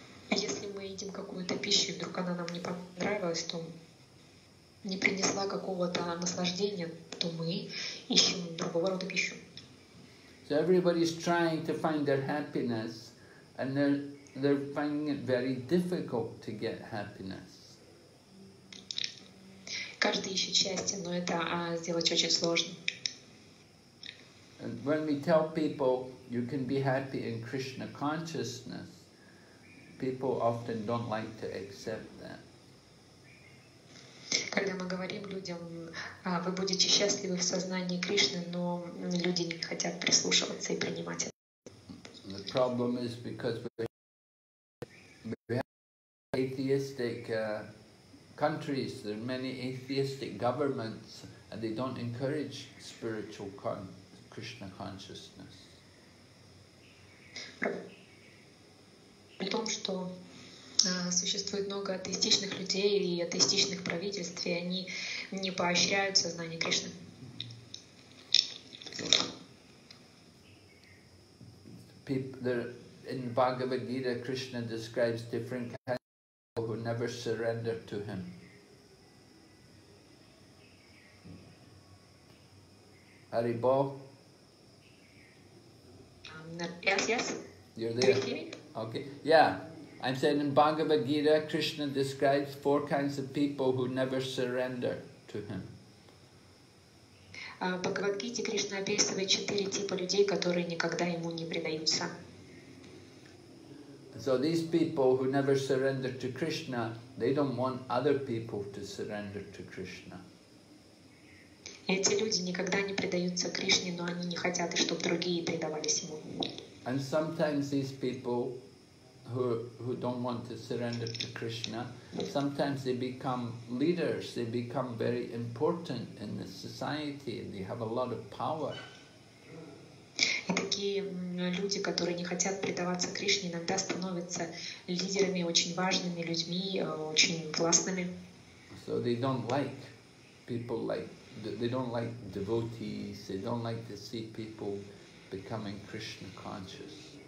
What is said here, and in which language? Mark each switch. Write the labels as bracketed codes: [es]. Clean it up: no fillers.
[ru] Если мы едим какую-то пищу, и вдруг она нам не понравилась, то не принесла какого-то наслаждения, то мы ищем другого рода пищу. [en] So everybody's trying to find their happiness, and they're finding it very difficult to get happiness. [ru] Каждый ищет счастье, но это сделать очень сложно. [en] And when we tell people you can be happy in Krishna consciousness, people often don't like to accept that. [ru] Когда мы говорим людям, вы будете счастливы в сознании Кришны, но люди не хотят прислушиваться и принимать это. [en] The problem is because we have atheistic countries, there are many atheistic governments, and they don't encourage spiritual Krishna consciousness. [ru] При том, что существует много атеистичных людей и атеистичных правительств, и они не поощряют сознание Кришны. [en] In Bhagavad Gita, Krishna describes different kinds of people who never surrender to him. Haribo? Yes. You're there? Okay. Yeah. I'm saying in Bhagavad Gita, Krishna describes four kinds of people who never surrender to him. [ru] Bhagavad Gita, Krishna описывает четыре типа людей, которые никогда ему не предаются. [en] So these people who never surrender to Krishna, they don't want other people to surrender to Krishna. [ru] Эти люди никогда не предаются Кришне, но они не хотят, чтобы другие предавались ему. [en] And sometimes these people who don't want to surrender to Krishna, sometimes they become leaders, they become very important in the society, and they have a lot of power. [ru] И такие люди, которые не хотят предаваться Кришне, иногда становятся лидерами, очень важными людьми, очень классными. [en] So they don't like people like, they don't like devotees, they don't like to see people becoming Krishna conscious.